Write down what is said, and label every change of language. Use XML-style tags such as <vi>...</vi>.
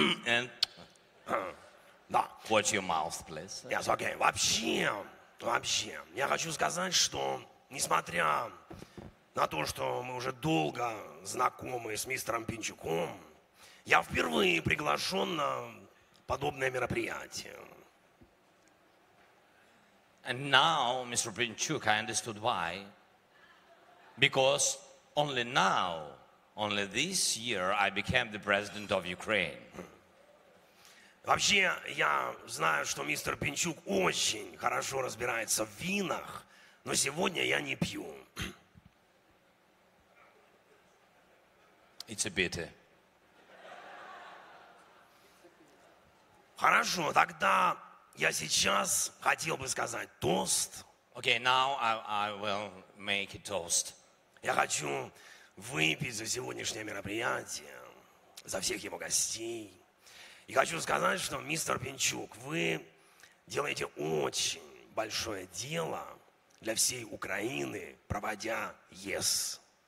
<en>And watch your mouth, please. Yes, okay.</en> <ru>Вообще, я хочу сказать, что несмотря на то, что мы уже долго знакомы с мистером Пинчуком, я впервые приглашен на подобное мероприятие.</ru> <en>And now, Mr. Пинчук, I understood why. Because only now, only this year, I became the president of Ukraine.</en> <ru>Вообще, я знаю, что мистер Пинчук очень хорошо разбирается в винах, но сегодня я не пью.</ru> <en>It's a bitter.</en> <ru>Хорошо, тогда я сейчас хотел бы сказать тост.</ru> <en>Okay, now I will make a toast.</en> <ru>Я хочу выпить за сегодняшнее мероприятие, за всех его гостей. И хочу сказать, что, мистер Пинчук, вы делаете очень большое дело для всей Украины, проводя ЕС.</ru>